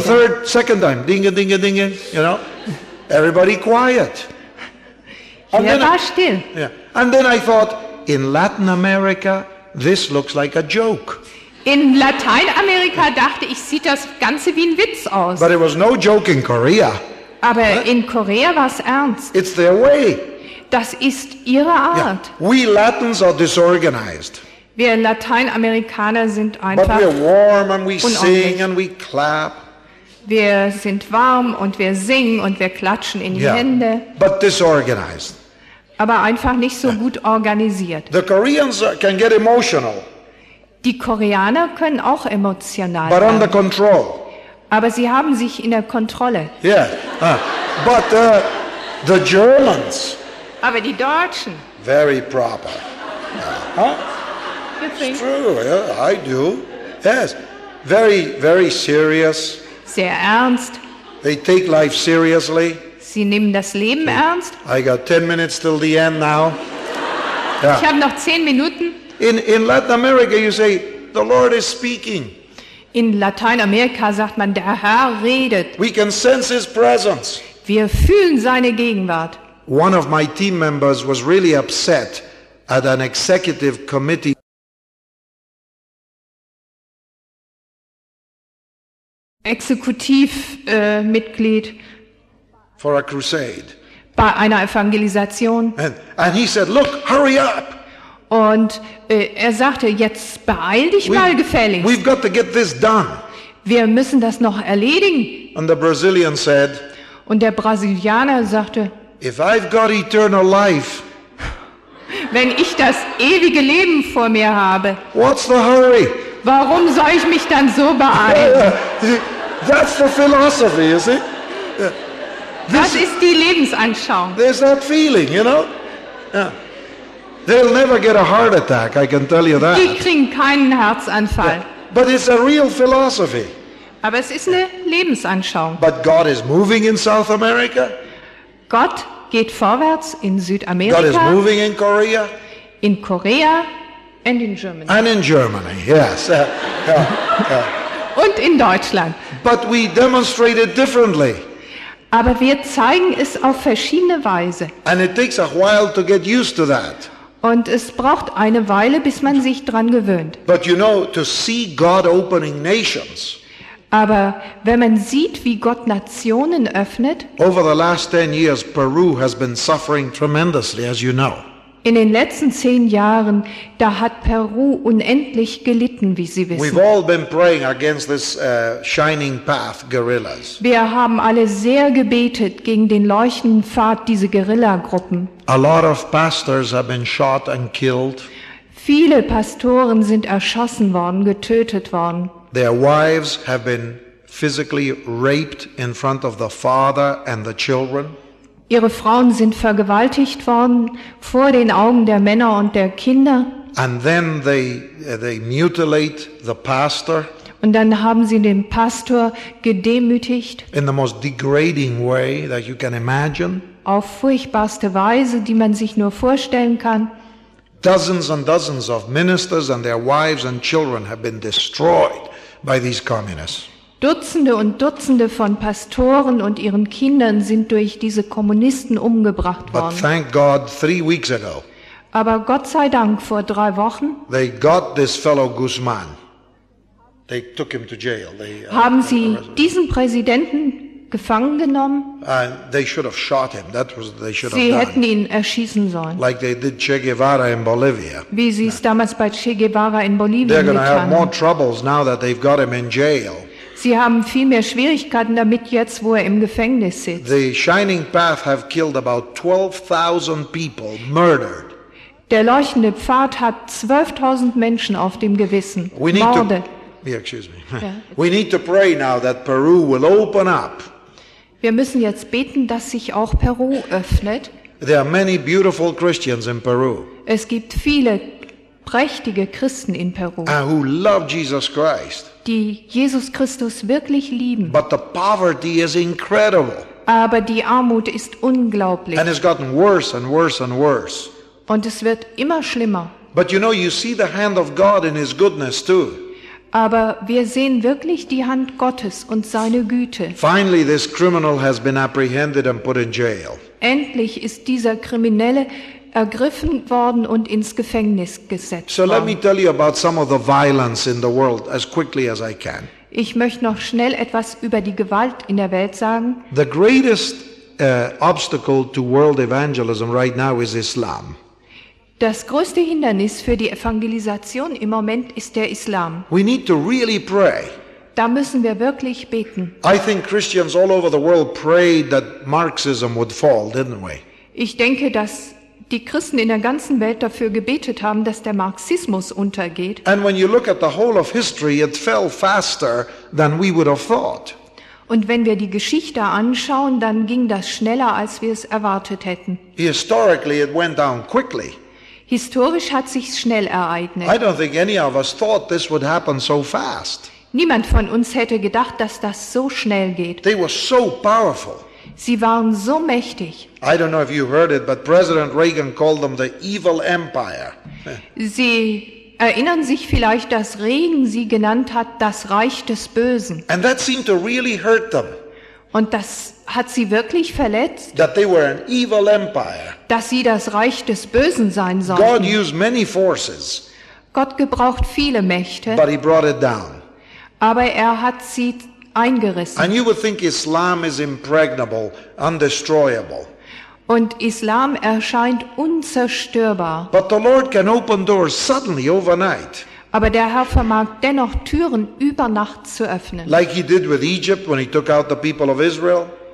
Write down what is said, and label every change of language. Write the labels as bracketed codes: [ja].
[en] The third, second time, ding, ding, ding, you know. Everybody quiet. And then war still. And then I thought, in Latin America, this looks like a joke. [de] In Lateinamerika dachte ich, sieht das Ganze wie ein Witz aus. [en] But it was no joke in Korea. [de] Aber in Korea war es ernst. [en] It's their way. [de] Das ist ihre Art. Yeah. [en] We Latins are disorganized. [de] Wir Lateinamerikaner sind einfach [en] But we're warm and we sing and we clap. [de] Wir sind warm und wir singen und wir klatschen in die Hände. [en] But disorganized. [de] Aber einfach nicht so gut organisiert. [en] The Koreans can get emotional. [de] Die Koreaner können auch emotional [en] But under control. [de] Aber sie haben sich in der Kontrolle. [en] Yeah. But the Germans. [de] Aber die Deutschen. [en] Very proper. It's true. Yeah, I do. Yes. Very, very serious. [de] Sehr ernst. [en] They take life seriously. [de] Sie nehmen das Leben ernst. [en] I got 10 minutes till the end now. [de] Yeah. Ich habe noch 10 Minuten. [en] In Latin America you say the Lord is speaking. [de] In Lateinamerika sagt man der Herr redet. [en] We can sense his presence. [de] Wir fühlen seine Gegenwart. [en] One of my team members was really upset at an executive committee. [de] Exekutivmitglied. [en] For a crusade. [de] Bei einer Evangelisation. [en] And he said, look, hurry up. [de] Und er sagte, jetzt beeil dich mal gefälligst. [en] We've got to get this done. [de] Wir müssen das noch erledigen. [en] And the Brazilian said, [de] und der Brasilianer sagte, [en] if I've got eternal life, [de] wenn ich das ewige Leben vor mir habe, [en] what's the hurry? [de] Warum soll ich mich dann so beeilen? [en] That's the philosophy, you see? [de] Das ist die Lebensanschauung. [en] There's that feeling, you know? They'll never get a heart attack, I can tell you that. [de] Die kriegen keinen Herzanfall. [en] But it's a real philosophy. [de] Aber es ist eine Lebensanschauung. [en] But God is moving in South America. [de] Gott geht vorwärts in Südamerika. [en] God is moving in Korea. In Korea and in Germany. And in Germany, yes. [de] Und in Deutschland. [en] But we demonstrate it differently. [de] Aber wir zeigen es auf verschiedene Weise. [en] And it takes a while to get used to that. [de] Und es braucht eine Weile, bis man sich dran gewöhnt. [en] But you know, to see God opening nations, [de] Aber wenn man sieht, wie Gott Nationen öffnet, [en] over the last 10 years Peru has been suffering tremendously, as you know. [de] In den letzten 10 Jahren, da hat Peru unendlich gelitten, wie Sie wissen. [en] We've all been praying against this shining path, guerrillas. [de] Wir haben alle sehr gebetet gegen den leuchtenden Pfad, diese Guerillagruppen. [en] A lot of pastors have been shot and killed. [de] Viele Pastoren sind erschossen worden, getötet worden. [en] Their wives have been physically raped in front of the father and the children. [de] Ihre Frauen sind vergewaltigt worden vor den Augen der Männer und der Kinder. [en] And then they mutilate the pastor. [de] Und dann haben sie den Pastor gedemütigt. [en] In the most degrading way that you can imagine. [de] Auf furchtbarste Weise, die man sich nur vorstellen kann. [en] Dozens and dozens of ministers and their wives and children have been destroyed by these communists. [de] Dutzende und Dutzende von Pastoren und ihren Kindern sind durch diese Kommunisten umgebracht worden. [en] But thank God, 3 weeks ago, [de] aber Gott sei Dank, vor 3 Wochen, [en] they got this fellow Guzman. They took him to jail. [de] Haben sie diesen Präsidenten gefangen genommen? [en] They should have shot him. That was they should [de] sie [en] have done. [de] Hätten ihn erschießen sollen. [en] Like they did Che Guevara in Bolivia. [de] Wie sie es damals bei Che Guevara in Bolivien getan. [en] They're going to have more troubles now that they've got him in jail. [de] Sie haben viel mehr Schwierigkeiten damit jetzt, wo er im Gefängnis sitzt. [en] The Shining Path have killed about 12,000 people murdered. [de] Der leuchtende Pfad hat 12,000 Menschen auf dem Gewissen. [en] We need [de] Morde. [en] To, yeah, excuse me. Yeah. We need to pray now that Peru will open up. [de] Wir müssen jetzt beten, dass sich auch Peru öffnet. [en] There are many beautiful Christians in Peru. [de] Es gibt viele prächtige Christen in Peru. [en] Who love Jesus Christ. [de] Die Jesus Christus wirklich lieben. [en] But the poverty is incredible. [de] Aber die Armut ist unglaublich. [en] And it's gotten worse and worse and worse. [de] Und es wird immer schlimmer. [en] But you know, you see the hand of God in his goodness too. [de] Aber wir sehen wirklich die Hand Gottes und seine Güte. [en] Finally, this criminal has been apprehended and put in jail. [de] Endlich ist dieser Kriminelle ergriffen worden und ins Gefängnis gesetzt worden. [en] So let me tell you about some of the violence in the world as quickly as I can. [de] Ich möchte noch schnell etwas über die Gewalt in der Welt sagen. [en] The greatest obstacle to world evangelism right now is Islam. [de] Das größte Hindernis für die Evangelisation im Moment ist der Islam. [en] We need to really pray. [de] Da müssen wir wirklich beten. [en] I think Christians all over the world prayed that Marxism would fall, didn't we? [de] Ich denke, dass die Christen in der ganzen Welt dafür gebetet haben, dass der Marxismus untergeht. [en] And when you look at the whole of history, it fell faster than we would have thought. [de] Und wenn wir die Geschichte anschauen, dann ging das schneller, als wir es erwartet hätten. [en] Historically, it went down quickly. [de] Historisch hat sich schnell ereignet. [en] I don't think any of us thought this would happen so fast. [de] Niemand von uns hätte gedacht, dass das so schnell geht. [en] They were so powerful. [de] Sie waren so mächtig. [en] I don't know if you heard it, but President Reagan called them the evil empire. [de] Sie erinnern sich vielleicht, dass Reagan sie genannt hat, das Reich des Bösen. [en] And that seemed to really hurt them. [de] Und das hat sie wirklich verletzt. [en] That they were an evil empire. [de] Dass sie das Reich des Bösen sein sollten. [en] God used many forces. [de] Gott gebraucht viele Mächte. [en] But he brought it down. [de] Aber er hat sie eingerissen. [en] And you would think Islam is impregnable, undestroyable. [de] Und Islam erscheint unzerstörbar. [en] But the Lord can open doors suddenly overnight. [de] Aber der Herr vermag dennoch Türen über Nacht zu öffnen. [en] Like he did with Egypt when he took out the people of Israel.